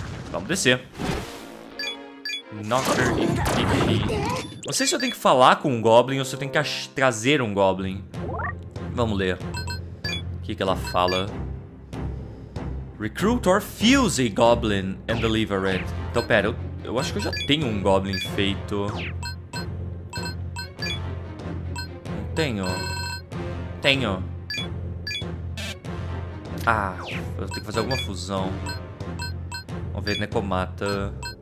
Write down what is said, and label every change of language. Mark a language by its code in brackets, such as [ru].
[pt] Vamos descer. Knocker e Pipi. Não sei se eu tenho que falar com um Goblin ou se eu tenho que trazer um Goblin. Vamos ler. O que, que ela fala? [en] Recruit or fuse a Goblin and deliver it. [pt] Então, pera. Eu acho que eu já tenho um Goblin feito. Não tenho. Tenho. Ah, eu tenho que fazer alguma fusão. Vamos ver, Necomata.